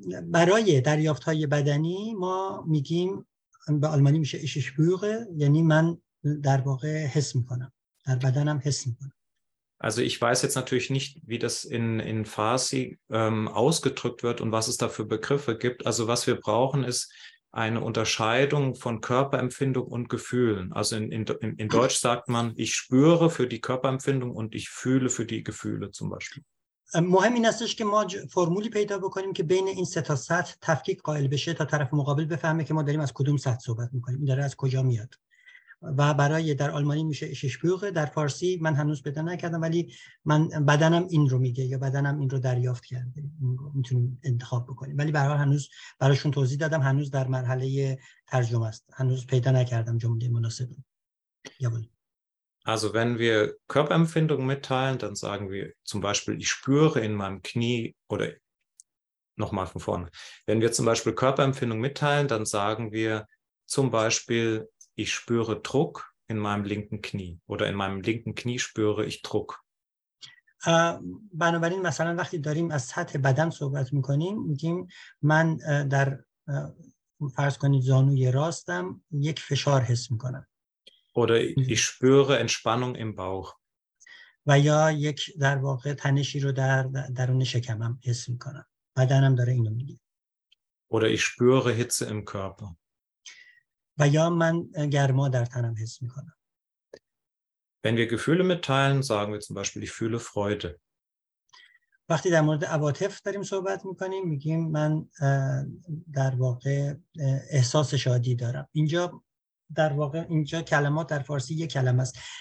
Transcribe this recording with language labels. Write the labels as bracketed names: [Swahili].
[Persian] برای دریافت های بدنی ما میگیم به آلمانی میشه [German] ich spüre, [Persian] یعنی من در واقع حس میکنم, در بدنم حس میکنم. [German] Also ich weiß jetzt natürlich nicht, wie das in Farsi ausgedrückt wird und was es da für Begriffe gibt. Also was wir brauchen, ist eine Unterscheidung von Körperempfindung und Gefühlen. Also in Deutsch sagt man, ich spüre für die Körperempfindung und ich fühle für die Gefühle zum Beispiel. [Persian] مهم این استش که ما فرمولی پیدا بکنیم که بین این سه تا سطح تفکیک قائل بشه تا طرف مقابل بفهمه که ما داریم از کدوم سطح صحبت میکنیم. این داره از کجا میاد؟ و برای در آلمانی میشه ششپیوغه در فارسی من هنوز پیدا نکردم ولی من بدنم این رو میگه یا بدنم این رو دریافت کرده میتونیم انتخاب بکنیم ولی برای هنوز برایشون توضیح دادم هنوز در مرحله ترجمه است هنوز پیدا نکردم جمله مناسب [German] Also wenn wir Körperempfindung mitteilen dann sagen wir zum Beispiel ich spüre in meinem Knie oder noch mal von vorne wenn wir zum Beispiel Körperempfindung mitteilen dann sagen wir zum Beispiel Ich spüre Druck in meinem linken Knie oder in meinem linken Knie spüre ich Druck. [Persian] بنابراین مثلا وقتی داریم از سطح بدن صحبت میکنیم میگیم من در فرض کنید زانوی راستم یک فشار حس میکنم. [German] Oder ich spüre Entspannung im Bauch. [Persian] و یا یک در واقع تنشی رو در درون شکمم حس میکنم، بدنم داره اینو میگه. [German] Oder ich spüre Hitze im Körper. [Persian] و یا من گرما در تنم حس میکنم. [German] Wenn wir Gefühle mitteilen, sagen wir zum Beispiel, ich fühle Freude. [Persian] وقتی در مورد عواطف داریم صحبت میکنیم میگیم من در واقع احساس شادی دارم. اینجا در واقع اینجا کلمات در فارسی یک کلمه است.